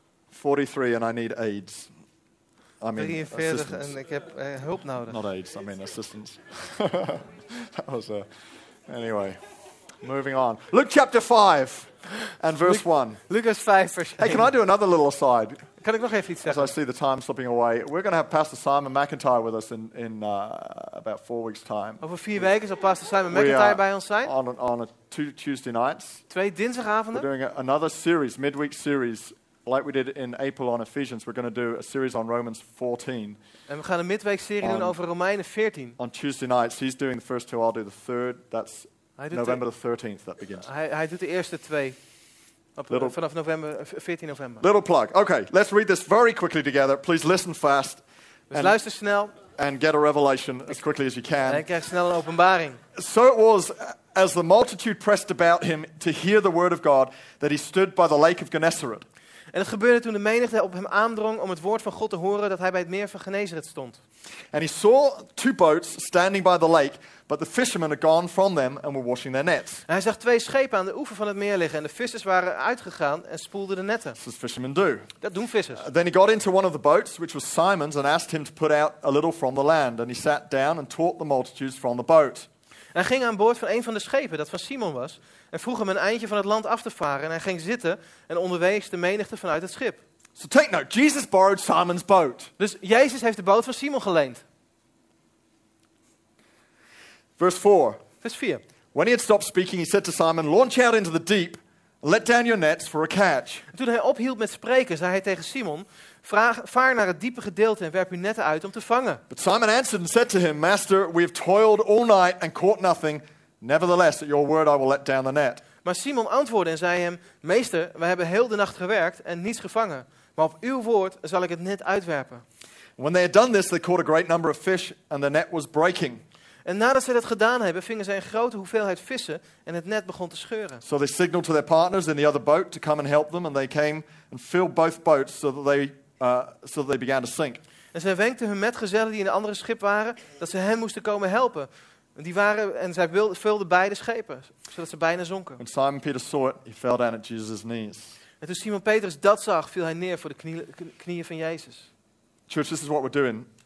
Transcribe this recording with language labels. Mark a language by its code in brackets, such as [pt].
[en] 43 and I need aids. I mean, [nl] 43 en ik heb hulp nodig. [en] Not aids, I mean assistance. That was anyway, moving on. Luke chapter 5 and verse 1. [nl] Lucas 5 for sure. [en] Hey, can I do another little aside? [nl] Kan ik nog even iets zeggen? [en] As I see the time slipping away, we're going to have Pastor Simon McIntyre with us in about 4 weeks' time. [nl] Over 4 weken zal Pastor Simon McIntyre bij ons zijn. [en] On two Tuesday nights. [nl] Twee dinsdagavonden. [en] We're doing another series, midweek series. Like we did in April on Ephesians, we're going to do a series on Romans 14. [nl] En we gaan een midweek serie doen over Romeinen 14. [en] On Tuesday nights, he's doing the first two, I'll do the third. That's November the 13th that begins. [nl] Hij doet de eerste twee. Vanaf november, 14 november. [en] Little plug. Okay, let's read this very quickly together. Please listen fast. [nl] Dus luister snel. [en] And get a revelation as quickly as you can. [nl] En krijg snel een openbaring. [en] So it was, as the multitude pressed about him to hear the word of God, that he stood by the lake of Gennesaret. [nl] En het gebeurde toen de menigte op hem aandrong om het woord van God te horen dat hij bij het meer van Genezaret stond. [en] And he saw two boats standing by the lake, but the fishermen had gone from them and were washing their nets. [nl] En hij zag twee schepen aan de oever van het meer liggen en de vissers waren uitgegaan en spoelden de netten. [en] That's what fishermen do. [nl] Dat doen vissers. [en] Then he got into one of the boats, which was Simon's, and asked him to put out a little from the land. And he sat down and taught the multitudes from the boat. [nl] En hij ging aan boord van een van de schepen, dat van Simon was, en vroeg hem een eindje van het land af te varen. En hij ging zitten en onderwees de menigte vanuit het schip. [en] So take note, Jesus borrowed Simon's boat. [nl] Dus Jezus heeft de boot van Simon geleend. Vers 4. [en] When he had stopped speaking, he said to Simon, launch out into the deep, let down your nets for a catch. [nl] En toen hij ophield met spreken, zei hij tegen Simon, vaar naar het diepe gedeelte en werp uw netten uit om te vangen. [en] But Simon answered and said to him, Master, we have toiled all night and caught nothing. Nevertheless, at your word I will let down the net. [nl] Maar Simon antwoordde en zei hem, Meester, we hebben heel de nacht gewerkt en niets gevangen. Maar op uw woord zal ik het net uitwerpen. [en] When they had done this, they caught a great number of fish and the net was breaking. [nl] En nadat ze dat gedaan hebben, vingen zij een grote hoeveelheid vissen en het net begon te scheuren. [en] So they signaled to their partners in the other boat to come and help them and they came and filled both boats so that they began to sink. [nl] En zij wenkten hun metgezellen die in een andere schip waren dat ze hen moesten komen helpen. En zij vulden beide schepen zodat ze bijna zonken. [en] When Simon Peter saw it, he fell down at Jesus' knees. [nl] En toen Simon Petrus dat zag, viel hij neer voor de knieën van Jezus. [en] Church, this is what we're doing.